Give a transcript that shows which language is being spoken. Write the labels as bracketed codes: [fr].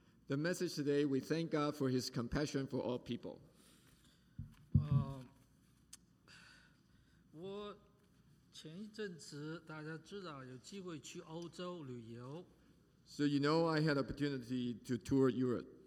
[en] The message today, we thank God for His compassion for all people. [zh] 我前一阵子大家知道有机会去欧洲旅游。 [en] So you know I had opportunity to tour Europe.